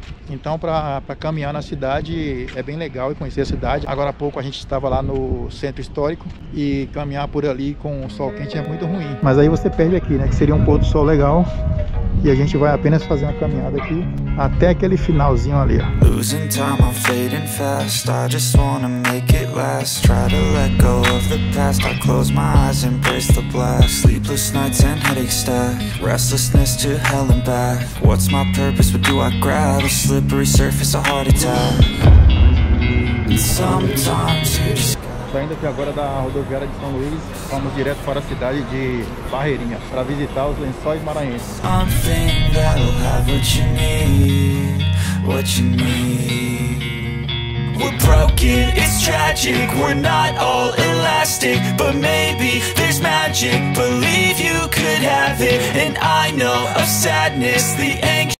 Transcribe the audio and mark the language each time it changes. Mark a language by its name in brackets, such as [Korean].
[Portuguese] Então para caminhar na cidade é bem legal e conhecer a cidade. Agora há pouco a gente estava lá no centro histórico e caminhar por ali com o sol quente é muito ruim. Mas aí você perde aqui, né? Que seria um pôr do sol legal. E a gente vai apenas fazer uma caminhada aqui até aquele finalzinho ali, ó. [English] Losing time, I'm fading fast. I just wanna make it last. Try to let go of the past. I close my eyes, embrace the blast. Sleepless nights and headache stack. Restlessness to hell and back. What's my purpose? What do I grab? A slippery surface, a heart attack. Sometimes you just... [Portuguese] Saindo aqui agora da rodoviária de São Luís, vamos direto para a cidade de Barreirinha para visitar os Lençóis Maranhenses. [English] We're broken, it's tragic, we're not all elastic, but maybe there's magic. Believe you could have it, and I know of sadness, the anxiety.